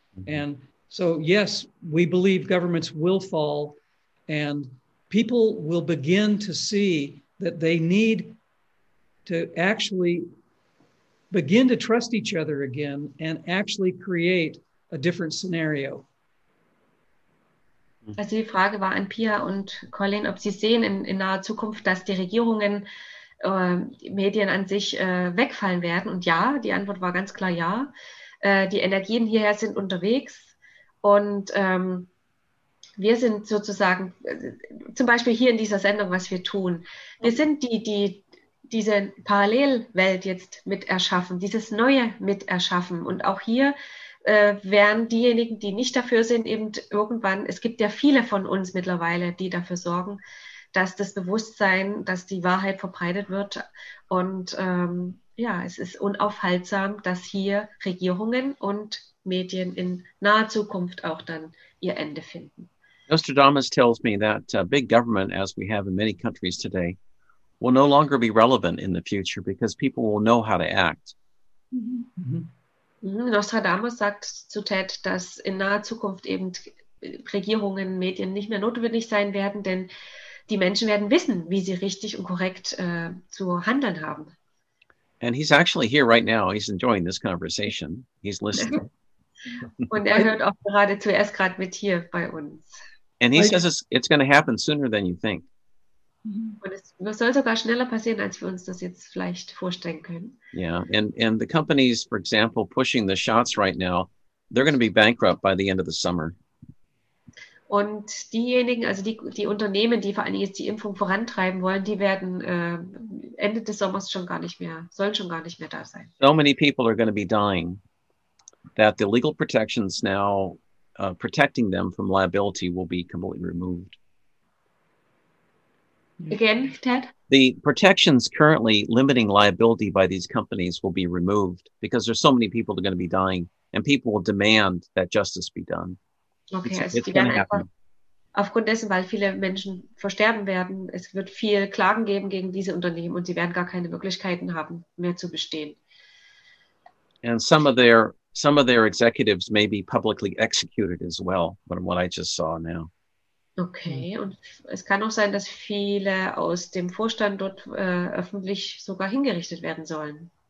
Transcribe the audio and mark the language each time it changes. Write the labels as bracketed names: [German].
[English] And so, yes, we believe governments will fall and people will begin to see that they need to actually begin to trust each other again and actually create a different scenario. [German] Also die Frage war an Pia und Colin, ob sie sehen in naher Zukunft, dass die Regierungen, die Medien an sich wegfallen werden. Und ja, die Antwort war ganz klar ja. Die Energien hierher sind unterwegs. Und wir sind sozusagen, zum Beispiel hier in dieser Sendung, was wir tun. Wir sind die diese Parallelwelt jetzt mit erschaffen, dieses Neue mit erschaffen. Und auch hier werden diejenigen, die nicht dafür sind, eben irgendwann, es gibt ja viele von uns mittlerweile, die dafür sorgen, dass das Bewusstsein, dass die Wahrheit verbreitet wird. Und es ist unaufhaltsam, dass hier Regierungen und Medien in naher Zukunft auch dann ihr Ende finden. [English] Nostradamus tells me that big government, as we have in many countries today, will no longer be relevant in the future because people will know how to act. [German] Nostradamus sagt zu Ted, dass in naher Zukunft eben Regierungen, Medien nicht mehr notwendig sein werden, denn die Menschen werden wissen, wie sie richtig und korrekt zu handeln haben. [English] And he's actually here right now. He's enjoying this conversation. He's listening. [German] Und er hört auch gerade zu. Er ist gerade mit hier bei uns. [English] And he says it's going to happen sooner than you think. [German] Und es soll sogar schneller passieren, als wir uns das jetzt vielleicht vorstellen können. [English] Yeah, and the companies, for example, pushing the shots right now, they're going to be bankrupt by the end of the summer. [German] Und diejenigen, also die Unternehmen, die vor allen Dingen jetzt die Impfung vorantreiben wollen, die werden Ende des Sommers schon gar nicht mehr, sollen schon gar nicht mehr da sein. [English] So many people are going to be dying that the legal protections now protecting them from liability will be completely removed. Again, Ted? The protections currently limiting liability by these companies will be removed because there's so many people that are going to be dying and people will demand that justice be done. Okay, it's going to happen. [German] Aufgrund dessen, weil viele Menschen versterben werden, es wird viel Klagen geben gegen diese Unternehmen und sie werden gar keine Möglichkeiten haben, mehr zu bestehen. [English] And some of their executives may be publicly executed as well, from what I just saw now. [German] Okay, und es kann auch sein, dass viele aus dem Vorstand dort öffentlich sogar hingerichtet werden sollen.